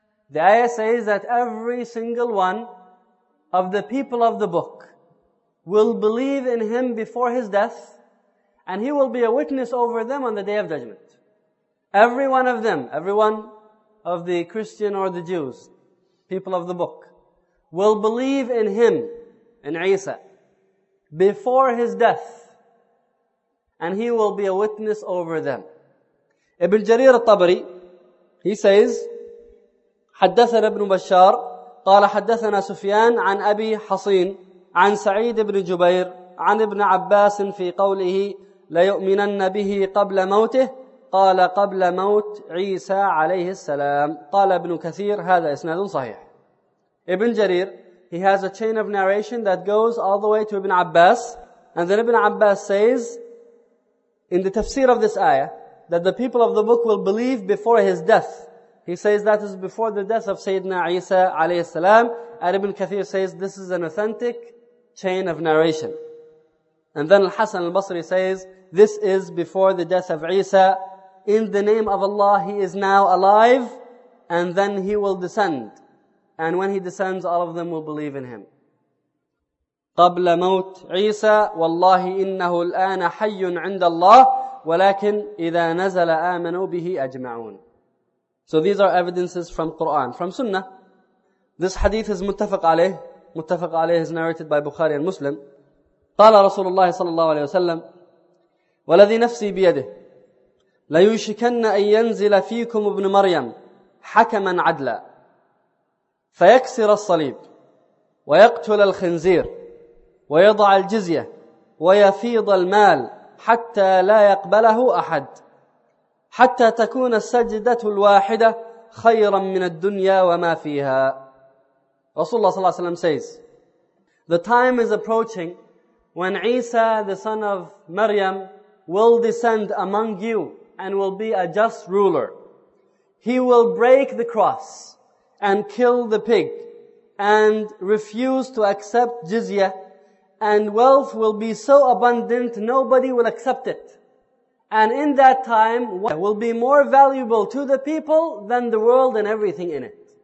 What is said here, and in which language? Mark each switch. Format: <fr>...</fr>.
<en>The ayah says that every single one of the people of the book will believe in him before his death and he will be a witness over them on the Day of Judgment. Every one of them, every one of the Christian or the Jews, people of the book, will believe in him, in Isa, before his death, and he will be a witness over them. Ibn Jarir al-Tabari, he says,</en> <ar>حدثنا ابن بشار قال حدثنا سفيان عن أبي حصين عن سعيد بن جبير عن ابن عباس في قوله ليؤمنن به قبل موته قال قبل موت عيسى عليه السلام قال ابن كثير هذا إسناد صحيح</ar> <en>Ibn Jarir, he has a chain of narration that goes all the way to Ibn Abbas. And then Ibn Abbas says, in the tafsir of this ayah, that the people of the book will believe before his death. He says that is before the death of Sayyidina Isa alayhi salam. And Ibn Kathir says this is an authentic chain of narration. And then Al-Hasan al-Basri says, this is before the death of Isa. In the name of Allah, he is now alive. And then he will descend. And when he descends, all of them will believe in him.</en> <ar>قَبْلَ مَوْتِ عِيسَى وَاللَّهِ إِنَّهُ الْآنَ حَيٌّ عِنْدَ اللَّهِ وَلَكِنْ إِذَا نَزَلَ آمَنُوا بِهِ أَجْمَعُونَ</ar> <en>So these are evidences from Qur'an, from Sunnah. This hadith is متفق عليه. متفق عليه is narrated by Bukhari and Muslim.</en> <ar>قال رسول الله صلى الله عليه وسلم وَلَذِي نَفْسِي بِيَدِهِ لَيُشِكَنَّ أَن يَنْزِلَ فِيكُمْ ابْنُ مَرْيَمْ حَكَمًا عَدْلًا فيكسر الصليب ويقتل الخنزير ويضع الجزية ويفيض المال حتى لا يقبله أحد حتى تكون السجدة الواحدة خيرا من الدنيا وما فيها رسول الله صلى الله عليه وسلم</ar> <en>says The time is approaching when Isa the son of Maryam will descend among you and will be a just ruler. He will break the cross and kill the pig, and refuse to accept jizya, and wealth will be so abundant, nobody will accept it. And in that time, what will be more valuable to the people than the world and everything in it.</en>